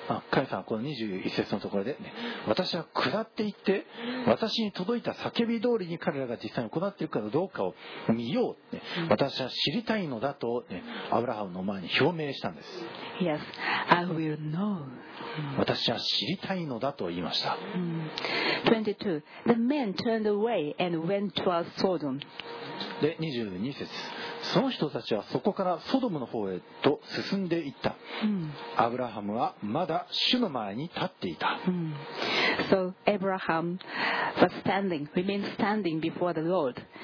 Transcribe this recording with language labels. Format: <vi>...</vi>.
<ja>カイさんはこの21節のところで、ね、私は下って行って私に届いた叫び通りに彼らが実際に行っているかどうかを見よう、ね、私は知りたいのだと、ね、アブラハムの前に表明したんです。</ja> <en>Yes, I will know.</en> <ja>私は知りたいのだと言いました。</ja> <en>22. The men turned away and went towards Sodom.</en> <ja>で22節、その人たちはそこからソドムの方へと進んでいった。アブラハムはまだ主の前に立っていた。</ja> <en>So Abraham was standing, remained standing before the Lord.</en>